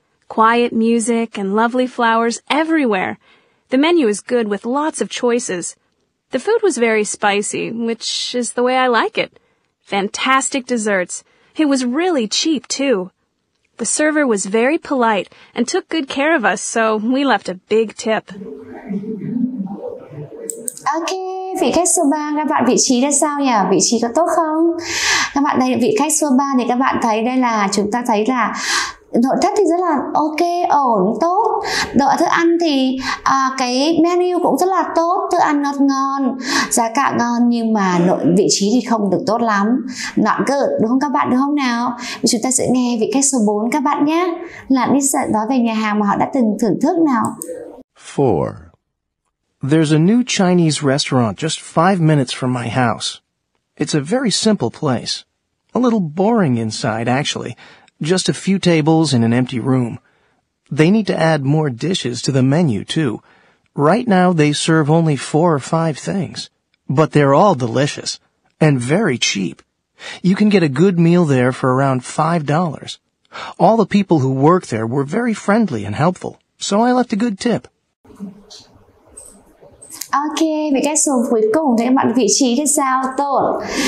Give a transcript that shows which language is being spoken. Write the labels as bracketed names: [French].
[English] Quiet music and lovely flowers everywhere. The menu is good with lots of choices. The food was very spicy, which is the way I like it. Fantastic desserts. It was really cheap, too. The server was very polite and took good care of us, so we left a big tip. Okay, [Vietnamese] vị khách số 3, các bạn vị trí ra sao nhỉ? Vị trí có tốt không? Các bạn đây, vị khách số 3 thì các bạn thấy đây là, chúng ta thấy là nội thất thì rất là ok, ổn, tốt. Đồ thức ăn thì cái menu cũng rất là tốt, thức ăn ngọt ngon, giá cả ngon, nhưng mà nội vị trí thì không được tốt lắm. [English] Not good, [Vietnamese] đúng không các bạn, đúng không nào? Chúng ta sẽ nghe vị khách số 4 các bạn nhé. Là đi nói về nhà hàng mà họ đã từng thưởng thức nào. [English] 4. There's a new Chinese restaurant just 5 minutes from my house. It's a very simple place. A little boring inside, actually. Just a few tables in an empty room. They need to add more dishes to the menu, too. Right now, they serve only 4 or 5 things. But they're all delicious. And very cheap. You can get a good meal there for around $5. All the people who work there were very friendly and helpful. So I left a good tip. [Vietnamese] Ok, vị khách số cuối cùng thì các bạn vị trí thì sao? Tốt.